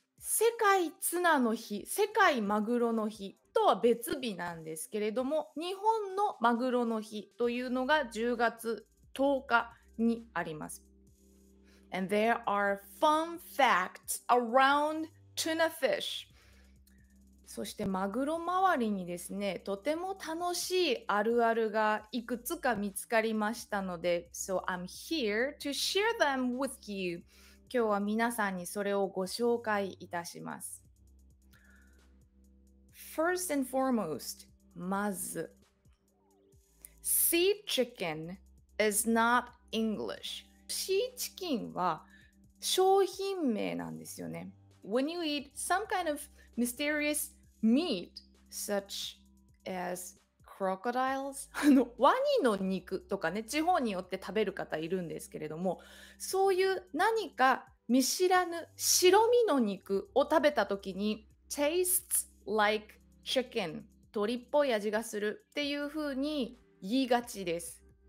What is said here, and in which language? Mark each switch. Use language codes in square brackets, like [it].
[ja] 世界ツナの日、世界マグロの日とは別日なんですけれども、日本のマグロの日というのが10月10日にあります。 [en] And there are fun facts around tuna fish. [ja] そしてマグロ周りにですね、とても楽しいあるあるがいくつか見つかりましたので、 [en] So I'm here to share them with you. [ja] 今日は皆さんにそれをご紹介いたします。 [en] First and foremost, [ja] まず、 [en] Sea chicken is not English. [ja] シーチキンは商品名なんですよね。 [en] When you eat some kind of mysterious meat, such as crocodiles, [ja] ワニの肉とかね、地方によって食べる方いるんですけれども、そういう何か見知らぬ白身の肉を食べた時に、 [en] tastes like chicken, [ja] 鶏っぽい味がするっていうふうに言いがちです。